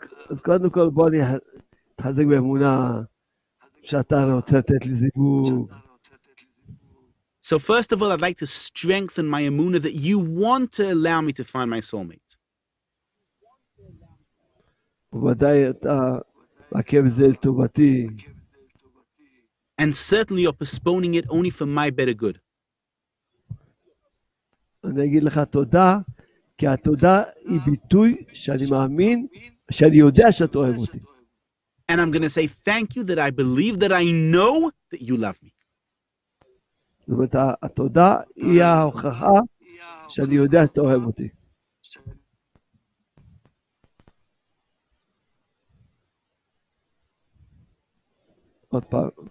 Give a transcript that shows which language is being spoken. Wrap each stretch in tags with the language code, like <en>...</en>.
<he>אז קודם כל בוא אני תחזק באמונה שאתה רוצה לתת לי זיווג.</he> <en>So first of all, I'd like to strengthen my emuna that you want to allow me to find my soulmate.</en> <he>ובוודאי אתה מעכב זה לטובתי.</he> <en>And certainly you're postponing it only for my better good.</en> <he>אני אגיד לך תודה, כי התודה היא ביטוי שאני מאמין, שאני יודע שאת אוהב אותי.</he> <en>And I'm going to say thank you that I believe that I know that you love me.</en> <he>זאת אומרת, התודה היא ההוכחה שאני יודע שאת אוהב אותי. עוד פעם.</he>